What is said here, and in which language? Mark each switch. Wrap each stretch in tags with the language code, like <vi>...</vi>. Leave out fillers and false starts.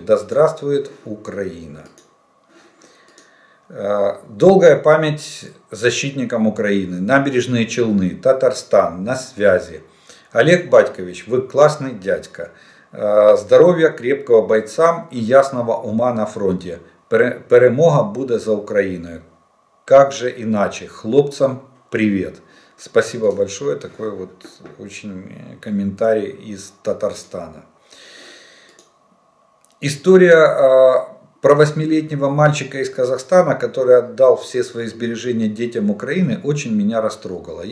<ru>Да здравствует Украина! Долгая память защитникам Украины, набережные Челны, Татарстан, на связи. Олег Батькович, вы классный дядька. Здоровья крепкого бойцам и ясного ума на фронте.</ru> <uk>Перемога буде за Україною.</uk> <ru>Как же иначе? Хлопцам привет. Спасибо большое. Такой вот очень комментарий из Татарстана. История... про 8-летнего мальчика из Казахстана, который отдал все свои сбережения детям Украины, очень меня растрогало.</ru>